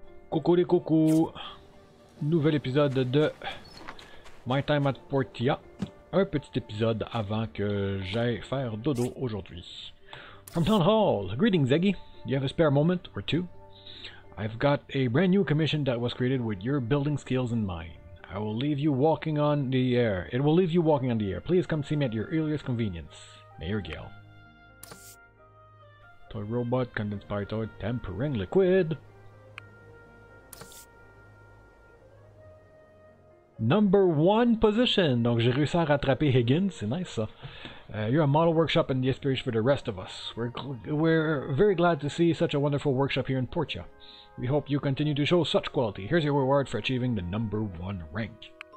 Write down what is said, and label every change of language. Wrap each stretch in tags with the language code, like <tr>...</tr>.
<fr>Coucou les coucous, nouvel épisode de My Time at Portia, un petit épisode avant que j'aille faire dodo aujourd'hui.</fr> <en>From Town Hall, greetings Eggy, you have a spare moment or two? I've got a brand new commission that was created with your building skills in mind. I will leave you walking on the air, it will leave you walking on the air. Please come see me at your earliest convenience. Mayor Gale. Toy robot, condensed power toy, tempering liquid. Number one position!</en> <fr>Donc j'ai réussi à rattraper Higgins, c'est nice ça.</fr> <en>You're a model workshop and the inspiration for the rest of us. We're very glad to see such a wonderful workshop here in Portia. We hope you continue to show such quality. Here's your reward for achieving the number one rank.</en>